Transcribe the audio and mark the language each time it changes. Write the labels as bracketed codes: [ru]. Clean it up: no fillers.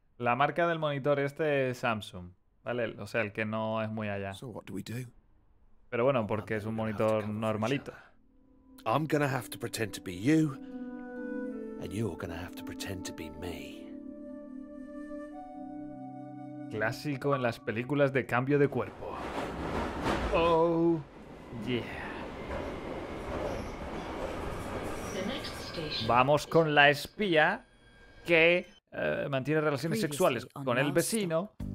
[es] La marca del monitor este es Samsung, ¿vale? O sea, el que no es muy allá. [en] So what do we do? [es] Pero bueno, porque es un monitor normalito. [en] I'm gonna have to pretend to be you, and you're gonna have to pretend to be me. [es] Clásico en las películas de cambio de cuerpo. [en] Oh, yeah. [es] Vamos con la espía que mantiene relaciones sexuales con el vecino.